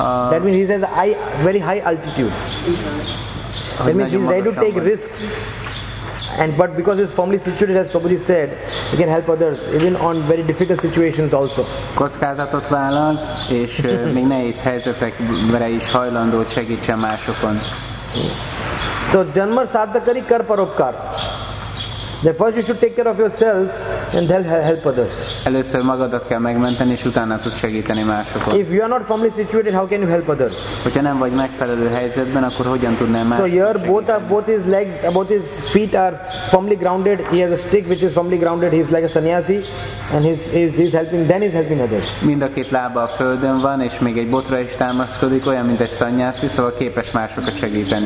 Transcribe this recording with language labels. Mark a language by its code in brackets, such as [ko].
[en] That means he has a very high altitude. That means he's ready to take risks. And but because he's firmly situated, as Prabhuji said, he can help others even on very difficult situations also. [hu] Kockázatot vállal, és még nehéz helyzetekre is hajlandó segítsen másokon. [bn] So janma sadhakari kar parupkar. [en] The first you should take care of yourself and then help others. [hu] Először magadat kell megmenteni, és utána tudsz segíteni másokon. [en] If you are not firmly situated, how can you help others? [hu] Hogyha nem vagy megfelelő helyzetben, akkor hogyan tudnál másokon [en] segíteni? So here both his feet are firmly grounded. He has a stick which is firmly grounded. He is like a sannyasi and he's helping others. [hu] Mind a két lába a földön van, és még egy botra is támaszkodik, olyan mint egy sannyasi, szóval képes másokat segíteni.